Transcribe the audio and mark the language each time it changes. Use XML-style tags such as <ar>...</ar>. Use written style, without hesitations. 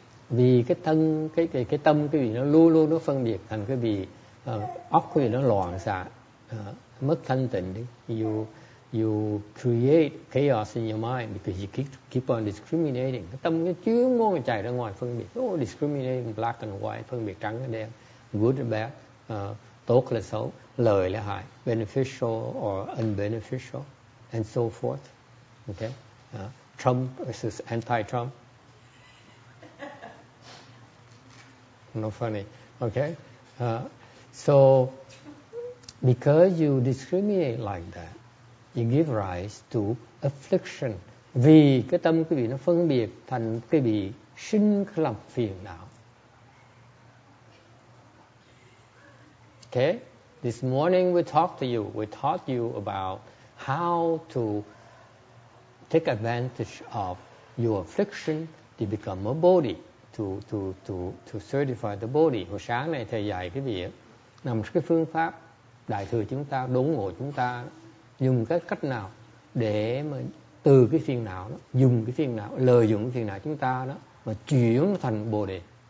<vi>Vì cái tâm quý vị nó luôn luôn nó phân biệt, thành quý vị óc quý vị nó loạn xạ, mất thanh tịnh đi.</vi> <en>You create chaos in your mind because you keep on discriminating.</en> <vi>Cái tâm nó chuyên môn chạy ra ngoài phân biệt.</vi> <en>Oh, discriminating black and white,</en> <vi>phân biệt trắng</vi> <en>and</en> <vi>đen,</vi> <en>good and bad,</en> <vi>tốt là xấu, lợi là hại,</vi> <en>beneficial or unbeneficial, and so forth. Okay? Trump versus anti-Trump. Not funny. Okay? So, because you discriminate like that, you give rise to affliction.</en> <vi>Vì cái tâm quý vị nó phân biệt thành quý vị sinh làm phiền não.</vi> <en>Okay? This morning we talked to you, we taught you about how to take advantage of your affliction to become a bodhi, to certify the bodhi.</en> <vi>Hồi sáng này thầy dạy quý vị là một cái phương pháp đại thừa chúng ta, đốn ngộ chúng ta dùng cái cách nào để mà từ cái phiền não đó, dùng cái phiền não, lợi dụng cái phiền não chúng ta đó mà chuyển thành bồ đề.</vi>